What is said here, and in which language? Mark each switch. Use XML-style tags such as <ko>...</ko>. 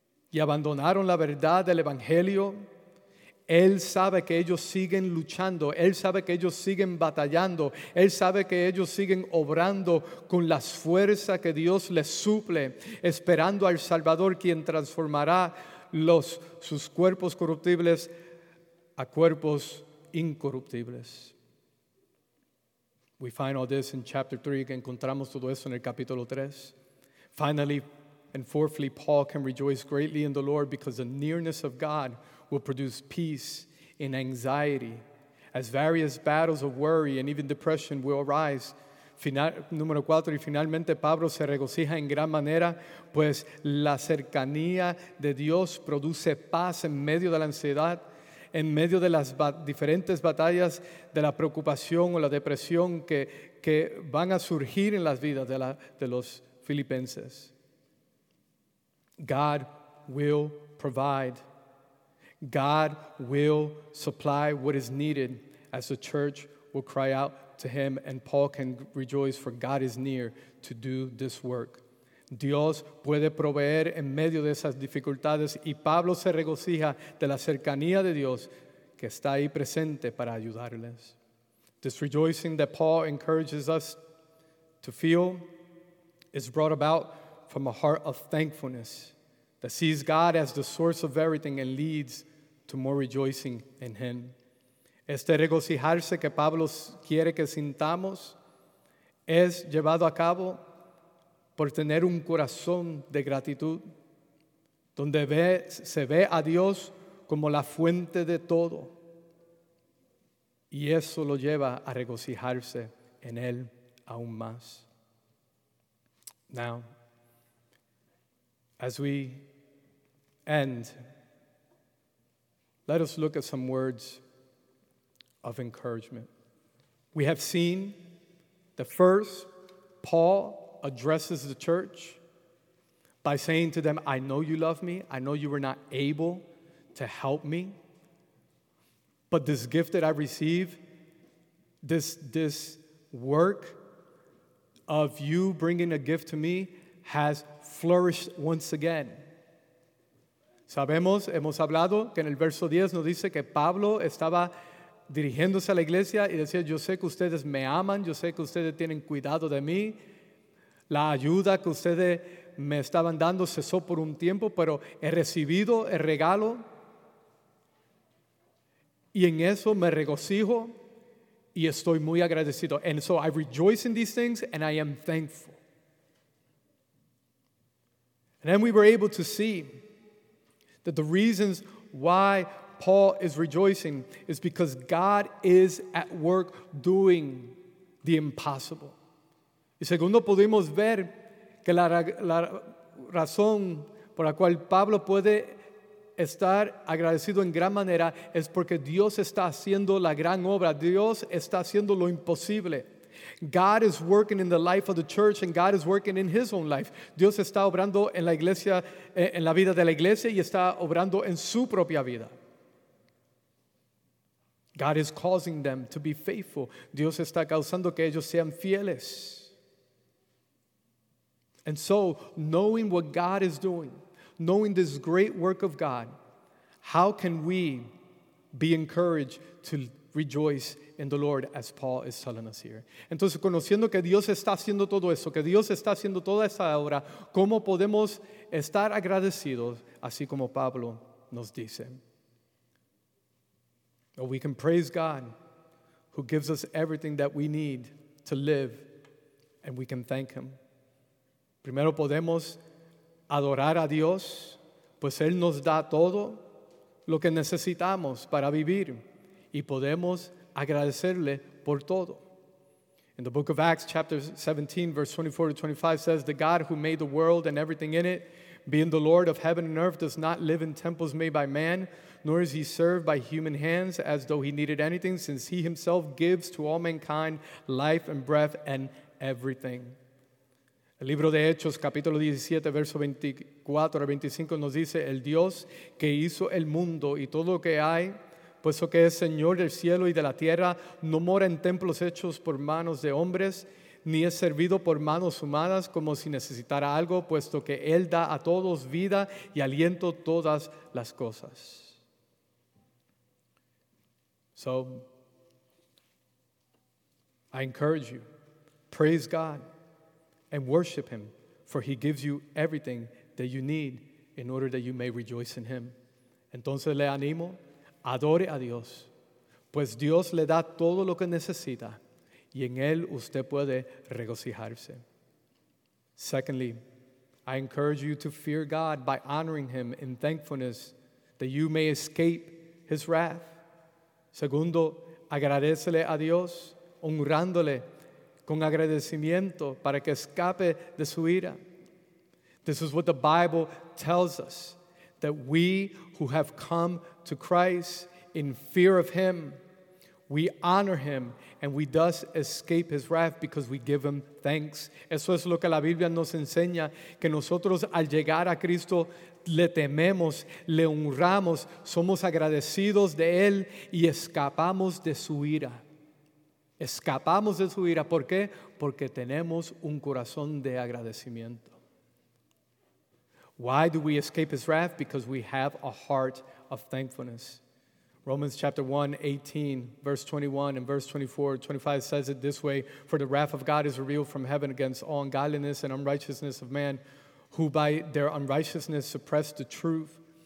<es>y abandonaron la verdad del Evangelio, él sabe que ellos siguen luchando, él sabe que ellos siguen batallando, él sabe que ellos siguen obrando con las fuerzas que Dios les suple, esperando al Salvador, quien transformará sus cuerpos corruptibles a cuerpos incorruptibles.</es> <en>We find all this in chapter 3,</en> <es>que encontramos todo eso en el capítulo 3.</es> <en>Finally, and fourthly, Paul can rejoice greatly in the Lord because the nearness of God will produce peace in anxiety, as various battles of worry and even depression will arise.</en> <es>Número cuatro, y finalmente Pablo se regocija en gran manera, pues la cercanía de Dios produce paz en medio de la ansiedad, en medio de las diferentes batallas de la preocupación o la depresión que van a surgir en las vidas de los filipenses.</es> <en>God will provide. God will supply what is needed as the church will cry out to him, and Paul can rejoice, for God is near to do this work.</en> <es>Dios puede proveer en medio de esas dificultades, y Pablo se regocija de la cercanía de Dios que está ahí presente para ayudarles.</es> <en>This rejoicing that Paul encourages us to feel is brought about from a heart of thankfulness that sees God as the source of everything and leads to more rejoicing in him.</en> <es>Este regocijarse que Pablo quiere que sintamos es llevado a cabo por tener un corazón de gratitud, donde se ve a Dios como la fuente de todo, y eso lo lleva a regocijarse en él aún más.</es> <en>Now, as we end, let us look at some words of encouragement. We have seen that first, Paul addresses the church by saying to them, I know you love me. I know you were not able to help me. But this gift that I receive, this work of you bringing a gift to me has flourished once again.</en> <es>Sabemos, hemos hablado que en el verso 10 nos dice que Pablo estaba dirigiéndose a la iglesia y decía, yo sé que ustedes me aman, yo sé que ustedes tienen cuidado de mí. La ayuda que ustedes me estaban dando cesó por un tiempo, pero he recibido el regalo. Y en eso me regocijo y estoy muy agradecido.</es> <en>And so I rejoice in these things and I am thankful. And then we were able to see that the reasons why Paul is rejoicing is because God is at work doing the impossible.</en> <es>Y segundo, pudimos ver que la razón por la cual Pablo puede estar agradecido en gran manera es porque Dios está haciendo la gran obra. Dios está haciendo lo imposible.</es> <en>God is working in the life of the church and God is working in his own life.</en> <es>Dios está obrando en la iglesia, en la vida de la iglesia, y está obrando en su propia vida.</es> <en>God is causing them to be faithful.</en> <es>Dios está causando que ellos sean fieles.</es> <en>And so, knowing what God is doing, knowing this great work of God, how can we be encouraged to rejoice in the Lord, as Paul is telling us here?</en> <es>Entonces, conociendo que Dios está haciendo todo eso, que Dios está haciendo toda esa obra, ¿cómo podemos estar agradecidos, así como Pablo nos dice?</es> <en>Or we can praise God who gives us everything that we need to live, and we can thank him.</en> <es>Primero podemos adorar a Dios, pues él nos da todo lo que necesitamos para vivir, y podemos agradecerle por todo.</es> <en>In the book of Acts, chapter 17, verse 24 to 25 says, the God who made the world and everything in it being the Lord of heaven and earth, does not live in temples made by man, nor is he served by human hands as though he needed anything, since he himself gives to all mankind life and breath and everything.</en> <es>El libro de Hechos, capítulo 17, verso 24 a 25, nos dice, el Dios que hizo el mundo y todo lo que hay, puesto que es Señor del cielo y de la tierra, no mora en templos hechos por manos de hombres, ni es servido por manos humanas como si necesitara algo, puesto que Él da a todos vida y aliento todas las cosas.</es> <en>So, I encourage you, praise God and worship Him, for He gives you everything that you need in order that you may rejoice in Him.</en> <es>Entonces le animo, adore a Dios, pues Dios le da todo lo que necesita y en Él usted puede regocijarse.</es> <en>Secondly, I encourage you to fear God by honoring Him in thankfulness that you may escape His wrath.</en> <es>Segundo, agradécele a Dios, honrándole con agradecimiento para que escape de su ira.</es> <en>This is what the Bible tells us, that we who have come to Christ in fear of Him, we honor Him, and we thus escape His wrath because we give Him thanks.</en> <es>Eso es lo que la Biblia nos enseña, que nosotros al llegar a Cristo le tememos, le honramos, somos agradecidos de Él y escapamos de su ira. Escapamos de su ira. ¿Por qué? Porque tenemos un corazón de agradecimiento.</es> <en>Why do we escape His wrath? Because we have a heart of thankfulness. Romans chapter 1, 18, verse 21 and verse 24, 25 says it this way, for the wrath of God is revealed from heaven against all ungodliness and unrighteousness of man, who by their unrighteousness suppress the truth.</en>